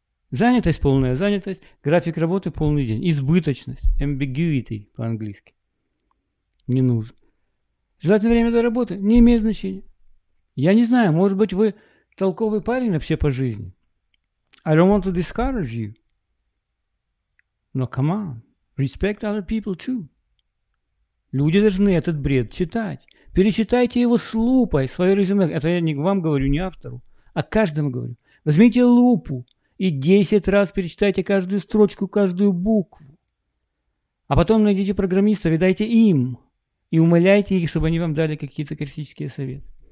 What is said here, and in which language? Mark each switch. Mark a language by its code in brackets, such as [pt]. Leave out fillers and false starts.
[ru] Занятость полная, занятость. График работы полный день. Избыточность. Ambiguity по-английски. Не нужно. Желательное время до работы не имеет значения. Я не знаю, может быть, вы толковый парень вообще по жизни. [en] I don't want to discourage you. [ru] Но [en] come on. Respect other people too. [ru] Люди должны этот бред читать. Перечитайте его с лупой, свое резюме. Это я не вам говорю, не автору, а каждому говорю. Возьмите лупу и 10 раз перечитайте каждую строчку, каждую букву. А потом найдите программиста, видайте им и умоляйте их, чтобы они вам дали какие-то критические советы.